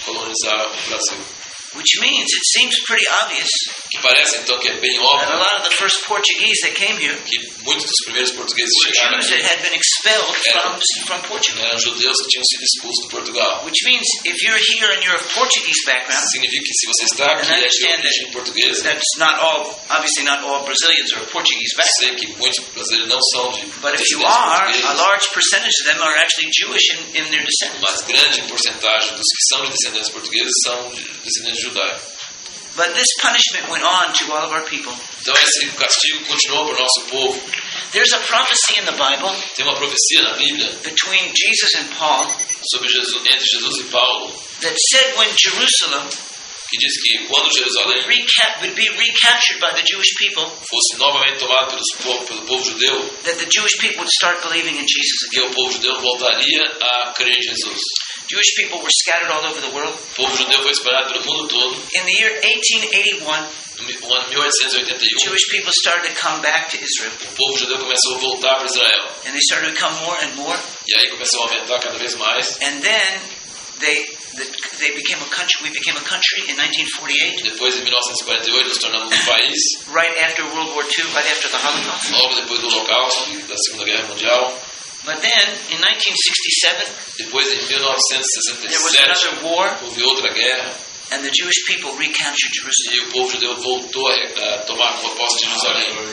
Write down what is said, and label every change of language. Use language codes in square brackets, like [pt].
[pt] Colonizar o Brasil. [en] Which means it seems pretty obvious. [pt] Que parece então que é bem óbvio. [en] That a lot of the first Portuguese that came here, [pt] que muitos dos primeiros portugueses chegaram aqui, [en] were Jews that had been expelled from Portugal. [pt] Eram judeus que tinham sido expulsos de Portugal. [en] Which means if you're here and you're of Portuguese background, [pt] significa que se você está aqui e é de origem portuguesa, [en] that's not all. Obviously, not all Brazilians are of Portuguese background. [pt] Sei que muitos brasileiros não são de. [en] But if you are, a large percentage of them are actually Jewish in their descent. [pt] Mas grande porcentagem dos que são de descendentes portugueses são descendentes. [en] But this punishment went on to all of our people. [pt] Então esse castigo continuou para o nosso povo. [en] There's a prophecy in the Bible. [pt] Tem uma profecia na Bíblia. [en] Between Jesus and Paul. [pt] Sobre Jesus, entre Jesus e Paulo. [en] That said when Jerusalem. [pt] Que diz que quando Jerusalém. [en] Would be recaptured by the Jewish people. [pt] Fosse novamente tomado pelo povo judeu. [en] That the Jewish people would start believing in Jesus again. [pt] Que o povo judeu voltaria a crer em Jesus. [en] Jewish people were scattered all over the world. [pt] O povo judeu foi espalhado pelo mundo todo. [en] In the year 1881, Jewish people started to come back to Israel. [pt] O povo judeu começou a voltar para Israel. [en] And they started to come more and more. [pt] E aí começou a aumentar cada vez mais. [en] And then they became a country. We became a country in 1948. [pt] Depois em 1948 nós tornamos um país. [en] Right after World War II, right after the Holocaust. [pt] Logo depois do Holocausto, da Segunda Guerra Mundial. [en] But then, in 1967, [pt] depois, em 1967, [en] there was another war, and the Jewish people recaptured Jerusalem. [pt] E o povo judeu voltou a tomar a posse de Jerusalém.